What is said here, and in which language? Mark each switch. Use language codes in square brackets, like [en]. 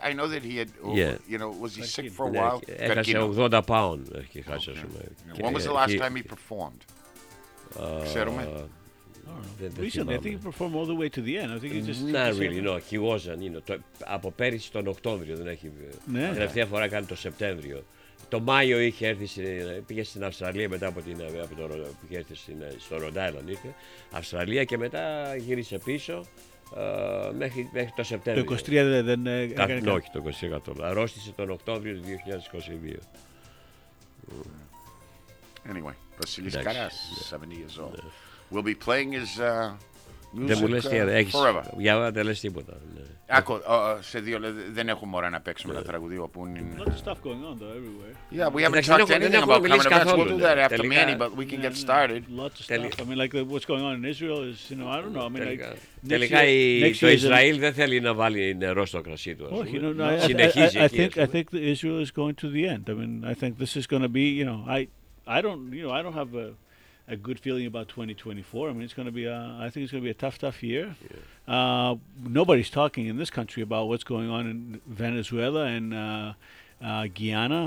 [en] I know that he had, you know, was he sick for a while? [el] Έχασε 80 pound. Έχει χάσει, ας πούμε. [en] When was the last time he performed? [el] Ξέρουμε. [en] Recently, I think he performed all the way to the end. I think he just... Not really, no. He wasn't, you know. [el] Το, από πέρυσι τον Οκτώβριο δεν έχει... Ναι. Τελευταία φορά έκανε το Σεπτέμβριο. Το Μάιο είχε έρθει, πήγε στην Αυστραλία μετά από την... Από το, πήγε έρθει στην, στο Ροντάιλον, είχε. Αυστραλία και μετά γύρισε πίσω. Μέχρι το Σεπτέμβριο. Το 23 δεν έκανε κάτι. Όχι, το 23 καθόλου. Αρρώστησε τον Οκτώβριο του 2022. [en] Anyway, Βασίλης Καράς, 70 years old. We'll be playing his music [el] δεν μου λες τίποτα, έχεις, [en] forever. [el] Για να δεν λες τίποτα. Ναι. Άκω, σε δύο λεπτά δεν έχουμε ώρα να παίξουμε ένα τραγουδί όπου είναι... [en] Lots of stuff going on though, everywhere. Yeah, we haven't talked anything about coming events. We'll do that after Manny, but we can get started. Lots of stuff. I mean, like what's going on in Israel is, you know, I don't know. I mean, like, [el] τελικά το Ισραήλ δεν θέλει να βάλει νερό στο κρασί του. Όχι, [en] no, no. I think Israel is going to the end. I mean, I think this is going to be, you know, I don't have a good feeling about 2024. I mean, it's going to be a tough year. Yeah. Nobody's talking in this country about what's going on in Venezuela and Guyana.